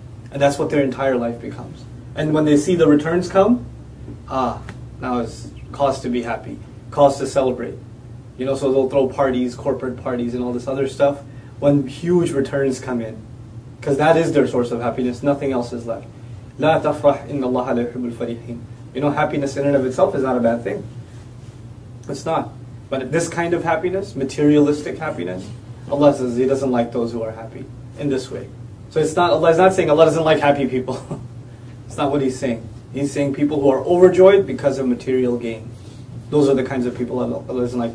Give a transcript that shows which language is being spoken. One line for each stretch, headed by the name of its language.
English: And that's what their entire life becomes. And when they see the returns come, ah, now it's cause to be happy, cause to celebrate. You know, so they'll throw parties, corporate parties and all this other stuff when huge returns come in. Because that is their source of happiness, nothing else is left.
Arabic: لا تفرح إن الله لا يحب الفريحين.
English: You know, happiness in and of itself is not a bad thing. It's not. But this kind of happiness, materialistic happiness, Allah says He doesn't like those who are happy in this way. So it's not, Allah is not saying Allah doesn't like happy people. It's not what He's saying. He's saying people who are overjoyed because of material gain. Those are the kinds of people Allah doesn't like.